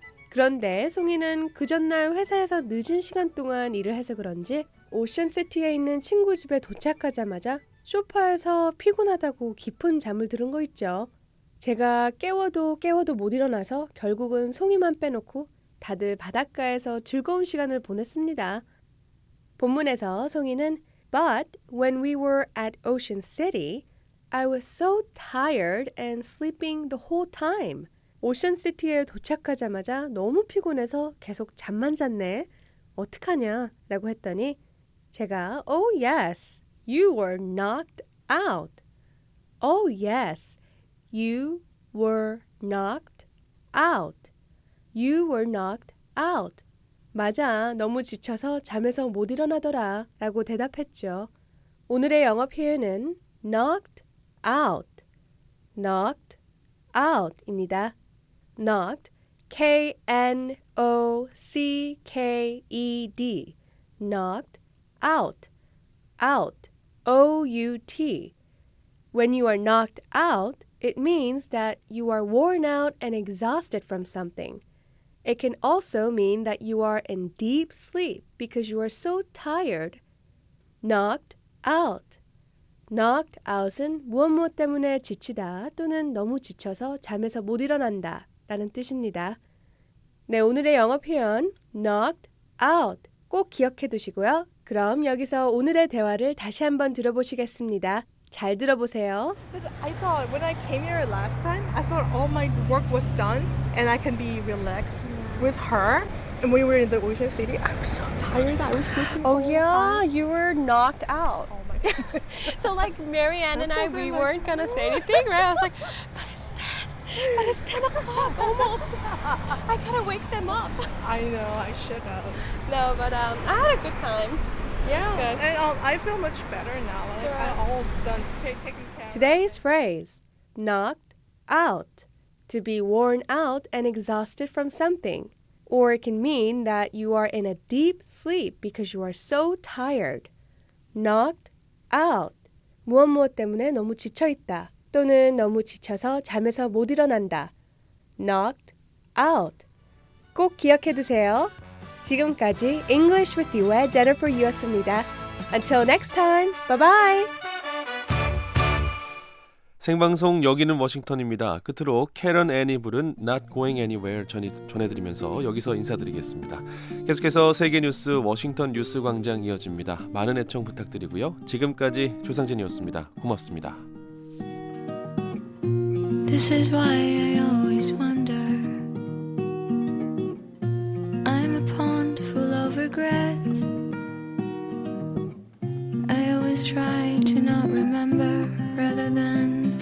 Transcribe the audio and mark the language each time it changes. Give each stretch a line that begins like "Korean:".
Korean: 그런데 송이는 그 전날 회사에서 늦은 시간 동안 일을 해서 그런지 오션시티에 있는 친구 집에 도착하자마자 소파에서 피곤하다고 깊은 잠을 들은 거 있죠. 제가 깨워도 못 일어나서 결국은 송이만 빼놓고 다들 바닷가에서 즐거운 시간을 보냈습니다. 본문에서 송이는
English: But when we were at Ocean City, I was so tired and sleeping the whole time.
Korean: 오션 시티에 도착하자마자 너무 피곤해서 계속 잠만 잤네. 어떡하냐? 라고 했더니 제가
English: Oh yes, you were knocked out. Oh yes, you were knocked out. You were knocked out.
Korean: 맞아, 너무 지쳐서 잠에서 못 일어나더라 라고 대답했죠. 오늘의 영어 표현은 knocked out, knocked out입니다.
English: knocked, K-N-O-C-K-E-D, knocked out, out, O-U-T. When you are knocked out, it means that you are worn out and exhausted from something. It can also mean that you are in deep sleep because you are so tired. Knocked out.
Korean: Knocked out은 무엇 무엇 때문에 지치다 또는 너무 지쳐서 잠에서 못 일어난다 라는 뜻입니다. 네, 오늘의 영어 표현 knocked out 꼭 기억해 두시고요. 그럼 여기서 오늘의 대화를 다시 한번 들어보시겠습니다. 잘 들어보세요.
English: I thought when I came here last time, I thought all my work was done and I can be relaxed with her. And when we were in the Ocean City, I was so tired. I was sleeping. Oh yeah, all the time. You were knocked out. Oh my god. So like Marianne and I, we weren't gonna say anything, right? I was like, but it's 10 o'clock almost. I gotta wake them up. I know, I should have. No, but I had a good time. Yeah, and I feel much better now. I'm all done taking care. Today's phrase, knocked out, to be worn out and exhausted from something. Or it can mean that you are in a deep sleep because you are so tired. Knocked out.
Korean: 무엇 무엇 때문에 너무 지쳐 있다. 또는 너무 지쳐서 잠에서 못 일어난다. Knocked out. 꼭 기억해 두세요. 지금까지 English with you의 Jennifer Yu였습니다.
English: Until next time, bye-bye.
Korean: 생방송 여기는 워싱턴입니다. 끝으로 캐런 애니 부른 Not Going Anywhere 전해드리면서 여기서 인사드리겠습니다. 계속해서 세계 뉴스 워싱턴 뉴스 광장 이어집니다. 많은 애청 부탁드리고요. 지금까지 조상진이었습니다. 고맙습니다.
English: This is why I always wonder I'm a pond full of regrets I always try to not remember rather than